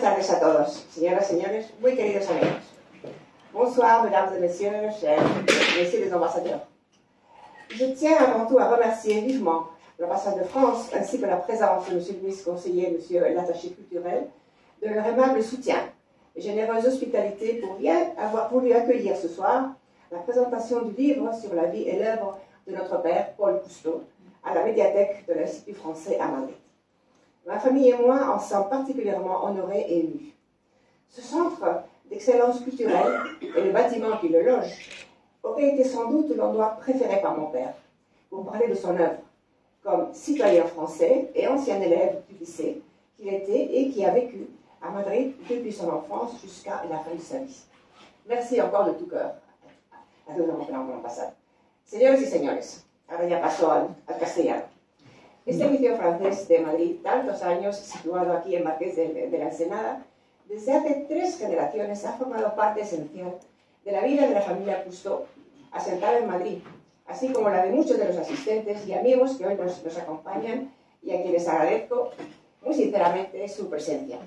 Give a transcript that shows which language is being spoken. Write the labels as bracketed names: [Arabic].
[Spanish] A todos, señoras y señores, muy queridos amigos. [French] Bonsoir, mesdames et messieurs, messieurs les ambassadeurs. Je tiens avant tout à remercier vivement l'ambassade de France ainsi que la présence de monsieur le vice-conseiller, monsieur l'attaché culturel, de leur aimable soutien et généreuse hospitalité pour bien avoir voulu accueillir ce soir la présentation du livre sur la vie et l'œuvre de notre père Paul Cousteau à la médiathèque de l'Institut français à Madrid. Ma famille et moi en sommes particulièrement honorés et émus. Ce centre d'excellence culturelle et le bâtiment qui le loge auraient été sans doute l'endroit préféré par mon père pour parler de son œuvre comme citoyen français et ancien élève du lycée qu'il était et qui a vécu à Madrid depuis son enfance jusqu'à la fin de sa vie. Merci encore de tout cœur à tous nos membres de l'ambassade. [Spanish] Señores y señores, ahora ya paso al castellano. Este liceo francés de Madrid, tantos años situado aquí en Marqués de la Ensenada, desde hace 3 generaciones ha formado parte esencial de la vida de la familia Cousteau, asentada en Madrid, así como la de muchos de los asistentes y amigos que hoy nos acompañan y a quienes agradezco muy sinceramente su presencia.